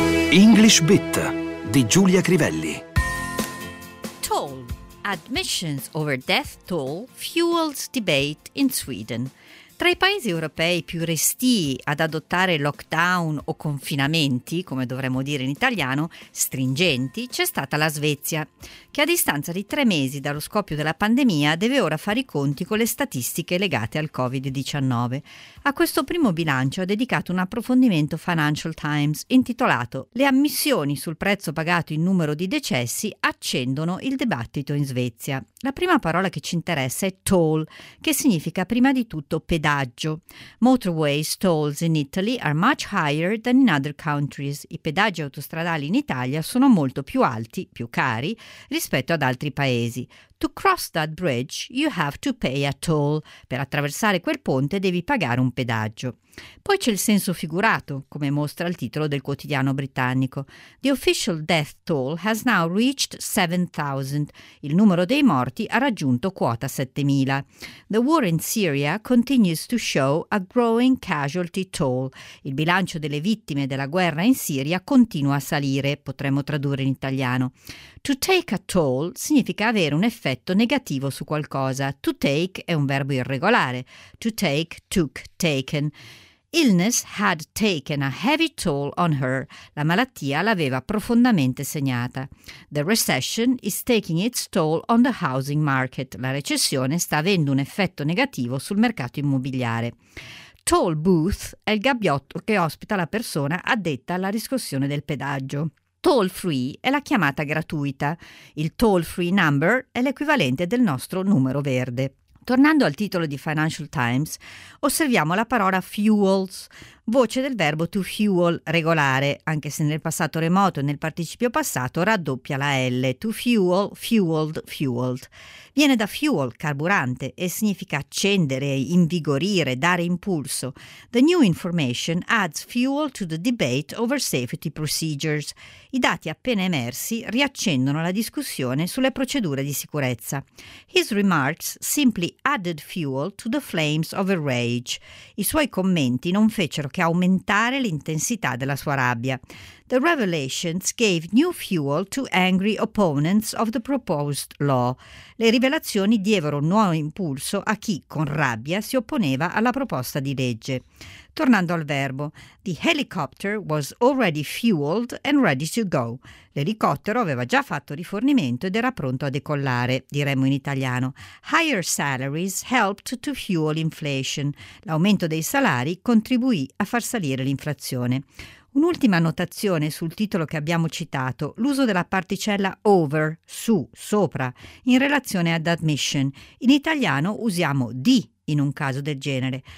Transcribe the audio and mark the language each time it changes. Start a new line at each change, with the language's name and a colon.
Italian: English Bit di Giulia Crivelli.
English: Toll. Admissions over death toll fuels debate in Sweden.
Italian: Tra i paesi europei più restii ad adottare lockdown o confinamenti, come dovremmo dire in italiano, stringenti, c'è stata la Svezia, che a distanza di 3 mesi dallo scoppio della pandemia deve ora fare i conti con le statistiche legate al Covid-19. A questo primo bilancio ha dedicato un approfondimento Financial Times, intitolato «Le ammissioni sul prezzo pagato in numero di decessi accendono il dibattito in Svezia». La prima parola che ci interessa è toll, che significa prima di tutto pedaggio.
English: Motorways tolls in Italy are much higher than in other countries.
Italian: I pedaggi autostradali in Italia sono molto più alti, più cari, rispetto ad altri paesi.
English: To cross that bridge, you have to pay a toll.
Italian: Per attraversare quel ponte devi pagare un pedaggio. Poi c'è il senso figurato, come mostra il titolo del quotidiano britannico.
English: The official death toll has now reached 7,000.
Italian: Il numero dei morti ha raggiunto quota 7,000.
English: The war in Syria continues to show a growing casualty toll.
Italian: Il bilancio delle vittime della guerra in Siria continua a salire, potremmo tradurre in italiano.
English: To take a toll
Italian: significa avere un effetto negativo su qualcosa. To take è un verbo irregolare.
English: To take, took, taken. Illness had taken a heavy toll on her.
Italian: La malattia l'aveva profondamente segnata.
English: The recession is taking its toll on the housing market.
Italian: La recessione sta avendo un effetto negativo sul mercato immobiliare. Toll booth è il gabbiotto che ospita la persona addetta alla riscossione del pedaggio. Toll free è la chiamata gratuita. Il toll free number è l'equivalente del nostro numero verde. Tornando al titolo di Financial Times, osserviamo la parola fuels, voce del verbo to fuel, regolare, anche se nel passato remoto e nel participio passato raddoppia la L,
English: to fuel, fueled, fueled.
Italian: Viene da fuel, carburante, e significa accendere, invigorire, dare impulso.
English: The new information adds fuel to the debate over safety procedures.
Italian: I dati appena emersi riaccendono la discussione sulle procedure di sicurezza.
English: His remarks simply added fuel to the flames of a rage.
Italian: I suoi commenti non fecero che aumentare l'intensità della sua rabbia.
English: The revelations gave new fuel to angry opponents of the proposed law.
Italian: Le rivelazioni diedero nuovo impulso a chi, con rabbia, si opponeva alla proposta di legge. Tornando al verbo,
English: the helicopter was already fueled and ready to go.
Italian: L'elicottero aveva già fatto rifornimento ed era pronto a decollare, diremmo in italiano.
English: Higher salaries helped to fuel inflation.
Italian: L'aumento dei salari contribuì a far salire l'inflazione. Un'ultima notazione sul titolo che abbiamo citato, l'uso della particella over, su, sopra, in relazione ad admission. In italiano usiamo di in un caso del genere.